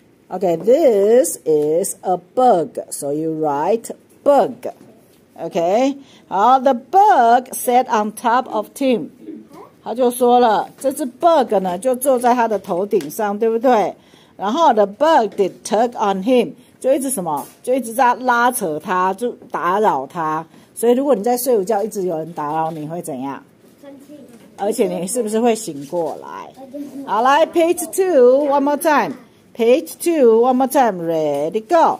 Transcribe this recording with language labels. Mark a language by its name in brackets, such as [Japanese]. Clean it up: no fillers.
[English] Okay, this is a bug. So you write bug. Okay. 好 the bug sat on top of Tim. [Chinese] 他就说了，这只 bug 呢就坐在他的头顶上，对不对？ [English] 然后 the bug did tug on him. [Chinese] 就一直什么？就一直在拉扯他，就打扰他。所以如果你在睡午觉，一直有人打扰你，会怎样？生气。而且你是不是会醒过来？ [English] 好，来 page two, one more time. Page two, one more time, ready, go.